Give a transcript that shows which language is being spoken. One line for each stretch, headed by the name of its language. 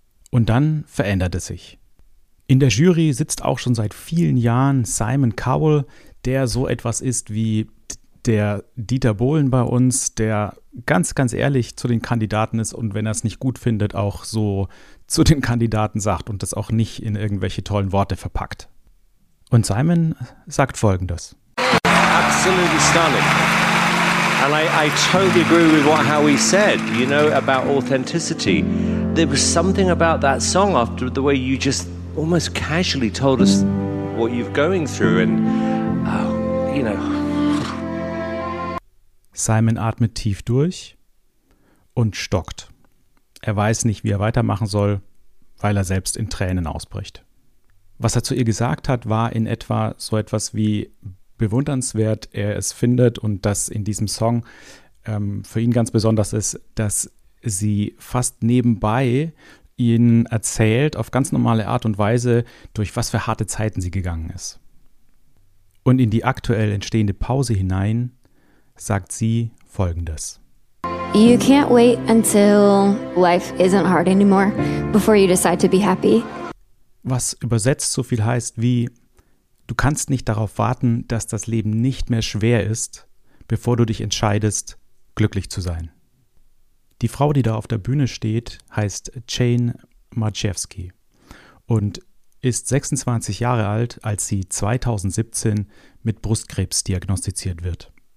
German: Und dann verändert es sich. In der Jury sitzt auch schon seit vielen Jahren Simon Cowell, der so etwas ist wie der Dieter Bohlen bei uns, der ganz, ganz ehrlich zu den Kandidaten ist und wenn er es nicht gut findet, auch so zu den Kandidaten sagt und das auch nicht in irgendwelche tollen Worte verpackt. Und Simon sagt Folgendes.
English: Absolutely stunning. And I totally agree with what Howie said, you know, about authenticity. There was something about that song after the way you just almost casually told us what you're going through and Simon
German: atmet tief durch und stockt. Er weiß nicht, wie er weitermachen soll, weil er selbst in Tränen ausbricht. Was er zu ihr gesagt hat, war in etwa so etwas wie bewundernswert er es findet und dass in diesem Song für ihn ganz besonders ist, dass sie fast nebenbei ihnen erzählt, auf ganz normale Art und Weise, durch was für harte Zeiten sie gegangen ist. Und in die aktuell entstehende Pause hinein sagt sie Folgendes.
English: You can't wait until life isn't hard anymore, before you decide to be happy.
German: Was übersetzt so viel heißt wie, du kannst nicht darauf warten, dass das Leben nicht mehr schwer ist, bevor du dich entscheidest, glücklich zu sein. Die Frau, die da auf der Bühne steht, heißt Jane Marchewski und ist 26 Jahre alt, als sie 2017 mit Brustkrebs diagnostiziert wird.